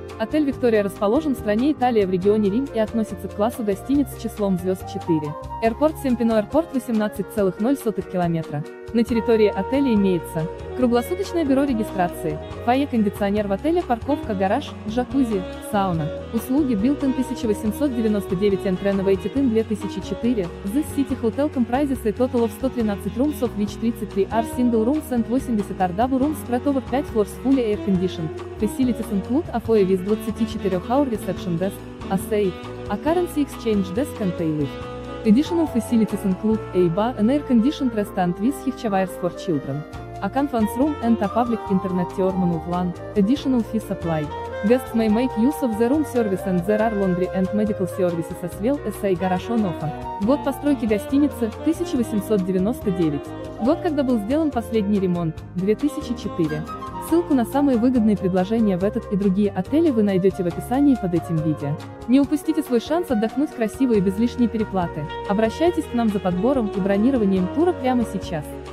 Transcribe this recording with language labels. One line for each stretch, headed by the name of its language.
Russian: Отель «Виктория» расположен в стране Италия в регионе Рим и относится к классу гостиниц с числом звезд 4. Эрпорт Семпино Эрпорт 18,0 километра. На территории отеля имеется круглосуточное бюро регистрации, фойе, кондиционер в отеле, парковка, гараж, джакузи, сауна. Услуги
English: built-in 1899 and renovated in 2004, This City Hotel comprises a total of 113 rooms of which 33 are single rooms and 80 are double rooms spread over 5 floors fully air conditioned. Facilities include a foyer with 24-hour reception desk, a safe, a currency exchange desk and a lift. Additional facilities include a bar, an air-conditioned restaurant with hitch wires for children, a conference room and a public internet terminal plan. Additional fees apply. Guests may make use of the room service and there are laundry and medical services as well as a garage on offer.
Russian: Год постройки гостиницы – 1899. Год, когда был сделан последний ремонт – 2004. Ссылку на самые выгодные предложения в этот и другие отели вы найдете в описании под этим видео. Не упустите свой шанс отдохнуть красиво и без лишней переплаты. Обращайтесь к нам за подбором и бронированием тура прямо сейчас.